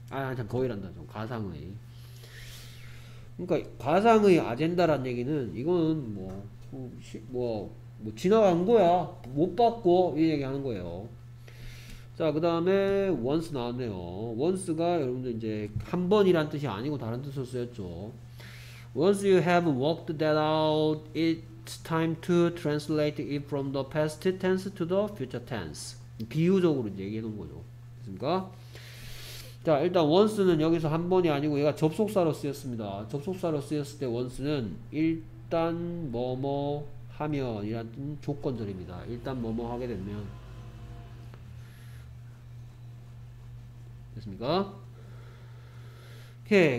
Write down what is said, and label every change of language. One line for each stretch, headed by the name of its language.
Korean: 아, 참, 거의란다, 좀, 가상의. 그러니까, 가상의 아젠다란 얘기는, 이건, 뭐, 지나간 거야. 못 봤고, 이 얘기하는 거예요. 자, 그 다음에, once 나왔네요. once가, 여러분들, 이제, 한 번이란 뜻이 아니고, 다른 뜻으로 쓰였죠.
English: Once you have worked that out, it's time to translate it from the past tense to the future tense.
Korean: 비유적으로 이제 얘기해 놓은 거죠. 됐습니까? 자, 일단 once는 여기서 한 번이 아니고 얘가 접속사로 쓰였습니다. 접속사로 쓰였을 때 once는 일단 뭐뭐 하면이라는 조건절입니다. 일단 뭐뭐 하게 되면 됐습니까? 오케이.